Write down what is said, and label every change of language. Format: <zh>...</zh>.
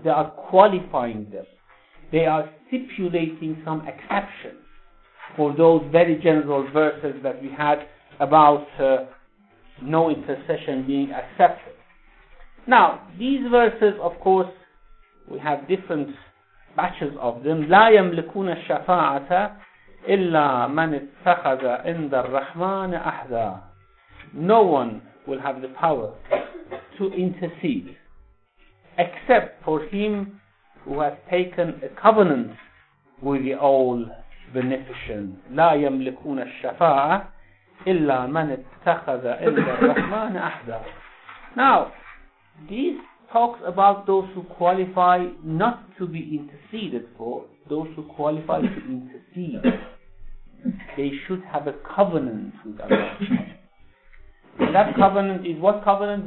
<en>They are qualifying them. They are stipulating some exceptions for those very general verses that we had about no intercession being accepted. Now, these verses, of course, we have different batches of them.</en> <ar>لا يملكون الشفاعة إلا من اتخذ عند الرحمن أحدا.</ar> <en>No one will have the power to intercede except for him who has taken a covenant with the All Beneficent.</en> <ar>لا يملكون الشفاعة إلا من اتخذ عند الرحمن أحدا.</ar> <en>Now, these talks about those who qualify not to be interceded for, those who qualify to intercede. They should have a covenant with Allah. That covenant is what covenant?</en>